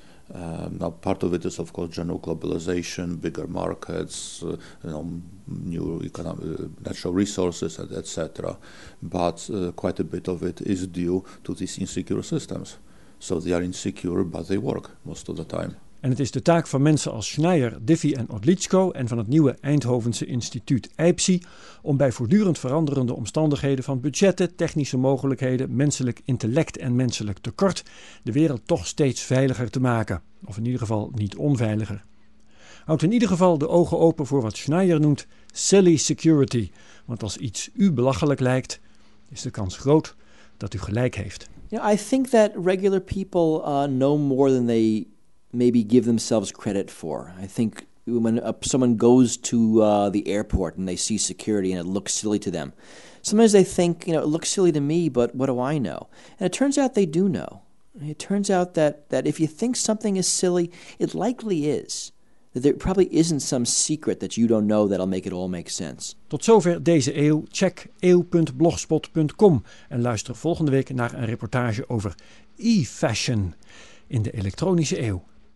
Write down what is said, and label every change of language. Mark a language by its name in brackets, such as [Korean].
[English] Now, part of it is, of course, general globalization, bigger markets, new economic natural resources, etc. But quite a bit of it is due to these insecure systems. So they are insecure, but they work most of the time. [Dutch] En het is de taak van mensen als Schneier, Diffie en Odlitsko en van het nieuwe Eindhovense instituut EIPSI om bij voortdurend veranderende omstandigheden van budgetten, technische mogelijkheden, menselijk intellect en menselijk tekort de wereld toch steeds veiliger te maken. Of in ieder geval niet onveiliger. Houd in ieder geval de ogen open voor wat Schneier noemt [English] silly security. [Dutch] Want als iets u belachelijk lijkt, is de kans groot dat u gelijk heeft. [English] You know, I think that regular people know more than they maybe give themselves credit for. I think when someone goes to the airport and they see security and it looks silly to them, sometimes they think, you know, it looks silly to me, but what do I know? And it turns out they do know. It turns out that if you think something is silly, it likely is. That there probably isn't some secret that you don't know that'll make it all make sense. [Dutch] Tot zover deze eeuw. Check eeuw.blogspot.com en luister volgende week naar een reportage over e-fashion in de elektronische eeuw.